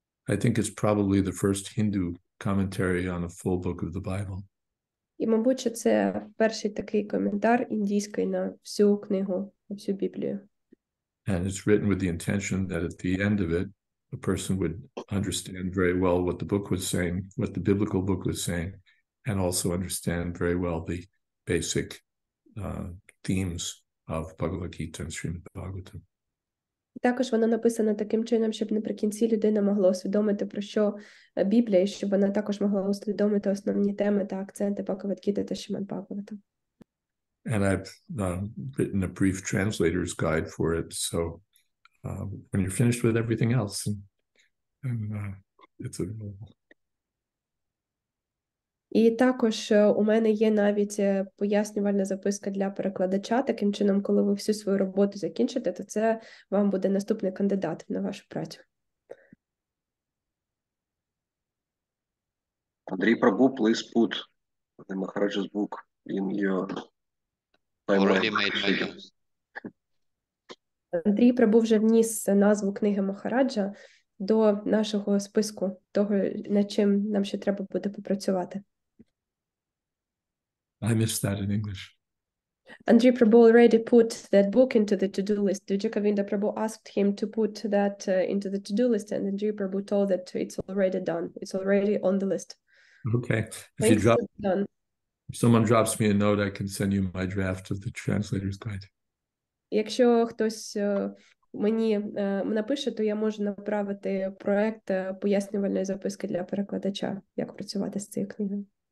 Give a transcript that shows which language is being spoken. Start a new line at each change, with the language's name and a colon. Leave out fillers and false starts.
English: I think it's probably the first Hindu commentary on a full book of the Bible.
Ukrainian: І, мабуть, що це перший такий коментар індійський на всю книгу, на всю Біблію.
English: And it's written with the intention that at the end of it, a person would understand very well what the book was saying, what the biblical book was saying, and also understand very well the basic themes of Bhagavad-gita and Srimad-bhagaватам.
Ukrainian: Також воно написано таким чином, щоб наприкінці людина могла усвідомити, про що Біблія, і щоб вона також могла усвідомити основні теми та акценти Бхагавад-гіти та Шримад-бхагаватам.
English: And I've written a brief translator's guide for it, so when you're finished with everything else, and it's available.
Ukrainian: І також у мене є навіть пояснювальна записка для перекладача. Таким чином, коли ви всю свою роботу закінчите, то це вам буде наступний кандидат на вашу працю.
English: Андрій Прабу, please put the Maharaja's book in your timeline.
Ukrainian: Андрій Прабу вже вніс назву книги Махараджа до нашого списку того, над чим нам ще треба буде попрацювати.
English: I missed that in English. Andrew Prabhu already put that book into the to-do list. Dujakavinda Prabhu asked him to put that into the to-do list, and Andrew Prabhu told that it's already done. It's already on the list. Okay. If someone drops me a note, I can send you my draft of the translator's guide.
Ukrainian: Якщо хтось мені напише, то я можу направити проект пояснювальної записки для перекладача, як працювати з цією книгою.